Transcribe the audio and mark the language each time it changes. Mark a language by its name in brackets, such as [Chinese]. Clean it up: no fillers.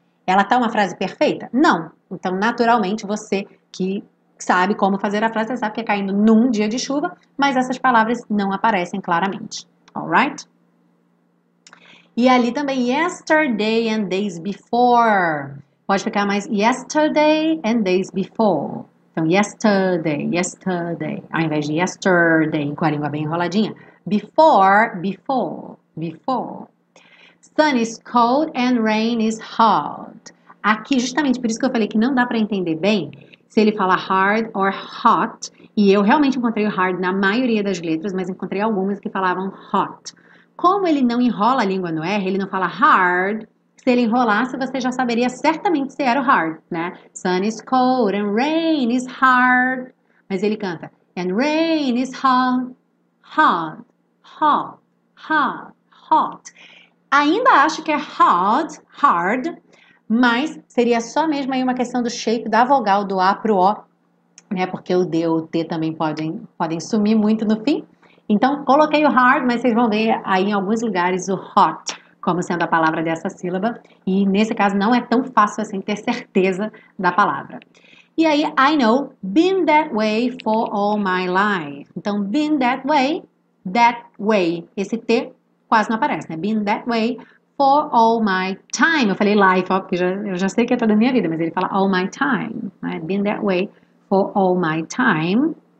[Portuguese] Ela tá uma frase perfeita? Não. Então, naturalmente, você que sabe como fazer a frase, sabe que é caindo num dia de chuva, mas essas palavras não aparecem claramente. [English] All right? [Portuguese] E ali também, [English] yesterday and days before. [Portuguese] Pode ficar mais [English] yesterday and days before. [Portuguese] Então, yesterday, ao invés de yesterday, com a língua bem enroladinha. [English] Before. Sun is cold and rain is hot. [Portuguese] Aqui, justamente por isso que eu falei que não dá para entender bem se ele fala [English] hard or hot. [Portuguese] E eu realmente encontrei o hard na maioria das letras, mas encontrei algumas que falavam hot. Como ele não enrola a língua no R, ele não fala hard. Se ele enrolasse, você já saberia certamente se era o hard, né? [English] Sun is cold and rain is hard. [Portuguese] Mas ele canta [English] and rain is hot, hot, hot, hot, hot. [Portuguese] Ainda acho que é hard, mas seria só mesmo aí uma questão do shape da vogal do A pro O, né? Porque o D ou o T também podem sumir muito no fim. Então, coloquei o hard, mas vocês vão ver aí em alguns lugares o hot como sendo a palavra dessa sílaba. E nesse caso, não é tão fácil assim ter certeza da palavra. [English] E aí, I know, been that way for all my life. [Portuguese] Então, [English] been that way, [Portuguese] esse T quase não aparece, né? [English] Been that way for all my time. [Portuguese] Eu falei life, ó, porque eu já sei que é toda a minha vida, mas ele fala [English] all my time. [Portuguese] Né? [English] Been that way for all my time.